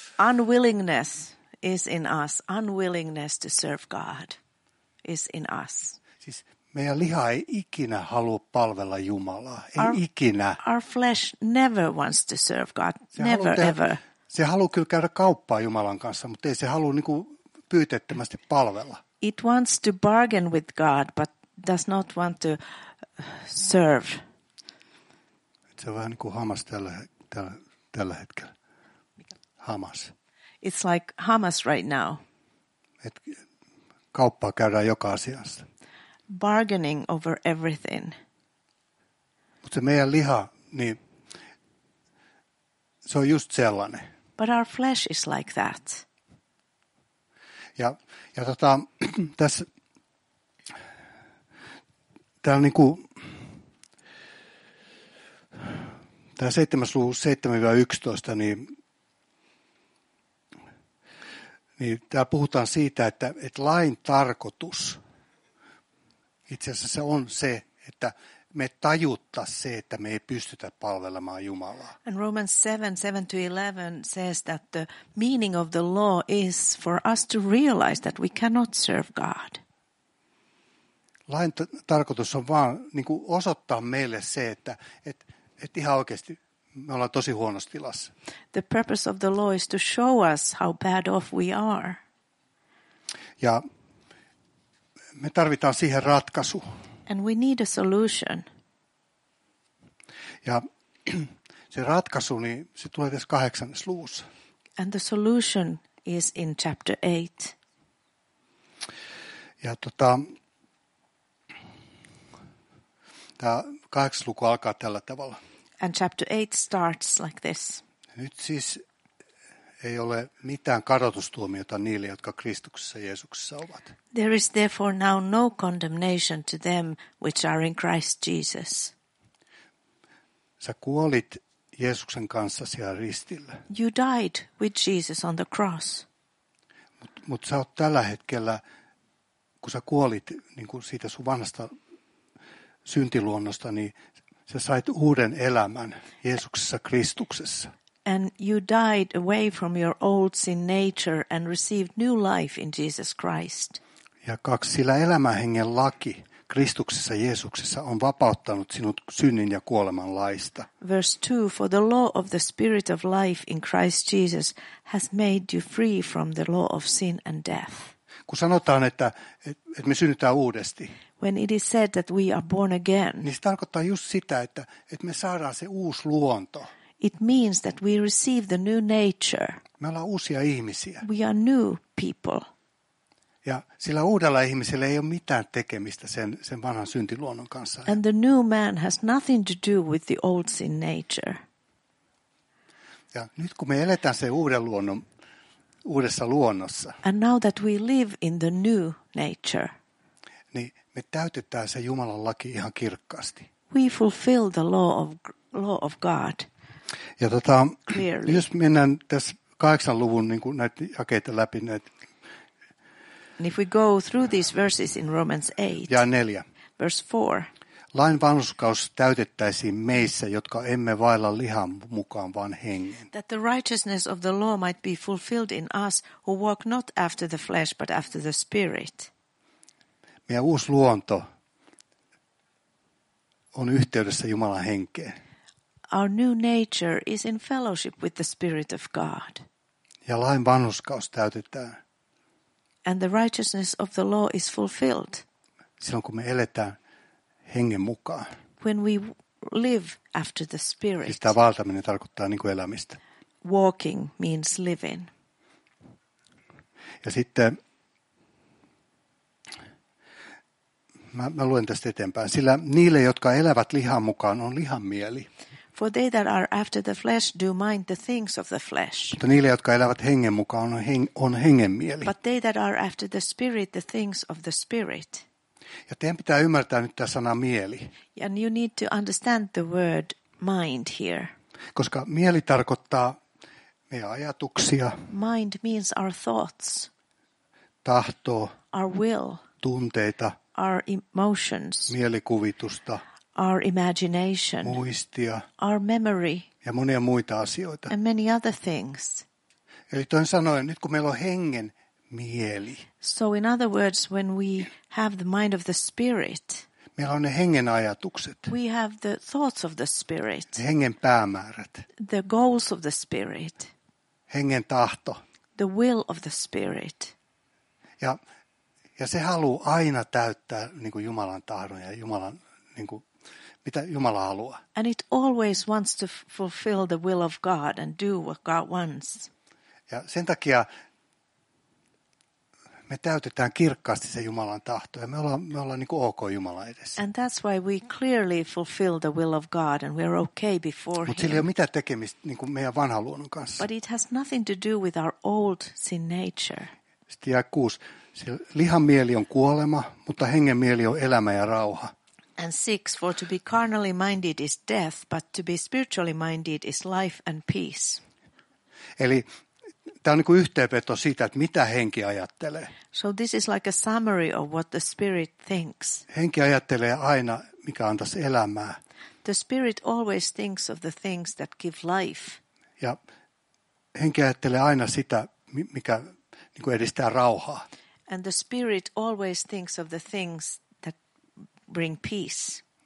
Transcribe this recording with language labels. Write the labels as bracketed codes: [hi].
[en] Unwillingness is in us. Unwillingness to serve God is in us. [fi] Siis meidän liha ei ikinä halua palvella Jumalaa. Ei ikinä. [en] Our flesh never wants to serve God. Never, ever. [fi] Se haluaa kyllä käydä kauppaa Jumalan kanssa, mutta ei se halua niin kuin pyyteettömästi palvella. [en] It wants to bargain with God, but does not want to serve. [fi] Se on vähän niin kuin Hamas tällä hetkellä. Hamas. [en] It's like Hamas right now. [fi] Et kauppaa käydään joka asiassa. [en] Bargaining over everything. [fi] Mutta meidän liha, niin se on just sellainen. [en] But our flesh is like that. [fi] Ja tässä niinku, tämä 7:7-11, niin tää puhutaan siitä, että lain tarkoitus itse asiassa se on se, että me tajuttaisiin se, että me ei pystytä palvelemaan Jumalaa. [en] And Romans 7:7-11 says that the meaning of the law is for us to realize that we cannot serve God. [fi] Lain tarkoitus on vaan niin kuin osoittaa meille se, että ihan oikeasti me ollaan tosi huonossa tilassa. [en] The purpose of the law is to show us how bad off we are. [fi] Ja me tarvitaan siihen ratkaisu. [en] And we need a solution. [fi] Ja se ratkaisu, niin se tulee tässä 8:luvussa. [en] And the solution is in chapter 8. [fi] Ja tämä 8-luku alkaa tällä tavalla. [en] And chapter 8 starts like this. [fi] Nyt siis ei ole mitään kadotustuomiota niille, jotka Kristuksessa Jeesuksessa ovat. [en] There is therefore now no condemnation to them which are in Christ Jesus. [fi] Sä kuolit Jeesuksen kanssa siellä ristillä. [en] You died with Jesus on the cross. [fi] Mut sä oot tällä hetkellä, kun sä kuolit niin kuin siitä sun vanhasta syntiluonnosta, niin sä sait uuden elämän Jeesuksessa Kristuksessa. [en] And you died away from your old sin nature and received new life in Jesus Christ. [fi] Ja 2, sillä elämänhengen laki Kristuksessa Jeesuksessa on vapauttanut sinut synnin ja kuoleman laista. [en] Verse 2, for the law of the spirit of life in Christ Jesus has made you free from the law of sin and death. [fi] Kun sanotaan, että me synnytään uudesti. [en] When it is said that we are born again. [fi] Niin se tarkoittaa just sitä, että me saadaan se uusi luonto. [en] It means that we receive the new nature. [fi] Me ollaan uusia ihmisiä. [en] We are new people. [fi] Ja sillä uudella ihmisellä ei ole mitään tekemistä sen vanhan syntiluonnon kanssa. [en] And the new man has nothing to do with the old sin nature. [fi] Ja nyt kun me eletään sen uuden luonnon uudessa luonnossa. [en] And now that we live in the new nature. [fi] Niin me täytetään se Jumalan laki ihan kirkkaasti. [en] We fulfill the law of God. [fi] Ja [en] clearly. [fi] Jos mennään tässä 8-luvun niin kuin näitä jakeita läpi. [en] And if we go through these verses in Romans 8. [fi] Ja 4. [en] Verse 4. [fi] Lain vanhurskaus täytettäisiin meissä, jotka emme vailla lihan mukaan, vaan hengen. [en] That the righteousness of the law might be fulfilled in us, who walk not after the flesh, but after the spirit. [fi] Meidän uusi luonto on yhteydessä Jumalan henkeen. [en] Our new nature is in fellowship with the Spirit of God. [fi] Ja lain vanhurskaus täytetään. [en] And the righteousness of the law is fulfilled. [fi] Silloin kun me eletään hengen mukaan. [en] When we live after the Spirit. [fi] Siis tämä vaeltaminen tarkoittaa niin kuin elämistä. [en] Walking means living. [fi] Ja sitten mä luen tästä eteenpäin. Sillä niille, jotka elävät lihan mukaan, on lihan mieli. [en] For they that are after the flesh do mind the things of the flesh. [fi] Mutta niille, jotka elävät hengen mukaan, on hengen mieli. [en] But they that are after the spirit, the things of the spirit. [fi] Ja teidän pitää ymmärtää nyt tämä sana mieli. [en] And you need to understand the word mind here. [fi] Koska mieli tarkoittaa meidän ajatuksia. [en] Mind means our thoughts. [fi] Tahtoa. [en] Our will. [fi] Tunteita. [en] Our emotions. [fi] Mielikuvitusta. [en] Our imagination. [fi] Muistia. [en] Our memory. [fi] Ja monia muita asioita. [en] And many other things. [fi] Eli toisin sanoen, nyt kun meillä on hengen mieli. [en] So in other words, when we have the mind of the spirit. [fi] Meillä on ne hengen ajatukset. [en] We have the thoughts of the spirit. [fi] Ne hengen päämäärät. [en] The goals of the spirit. [fi] Hengen tahto. [en] The will of the spirit. [fi] Ja se haluaa aina täyttää niin kuin Jumalan tahdon ja Jumalan niin kuin, mitä Jumala haluaa. [en] And it always wants to fulfill the will of God and do what God wants. [fi] Ja sen takia me täytetään kirkkaasti se Jumalan tahto ja me ollaan niin kuin ok Jumala edessä. [en] And that's why we clearly fulfill the will of God and we're okay before Him. [fi] Mutta sillä ei ole mitään tekemistä niin kuin meidän vanhan luonnon kanssa. [en] But it has nothing to do with our old sin nature. [fi] Sitten jää 6. Lihan mieli on kuolema, mutta hengen mieli on elämä ja rauha. [en] And 6, for to be carnally minded is death, but to be spiritually minded is life and peace. [fi] Eli tämä on niin kuin yhteenveto siitä, että mitä henki ajattelee. [en] So this is like a summary of what the spirit thinks. [fi] Henki ajattelee aina, mikä antaisi elämää. [en] The spirit always thinks of the things that give life. [fi] Ja henki ajattelee aina sitä, mikä niin kuin edistää rauhaa. [en] And the spirit always thinks of the things that bring peace.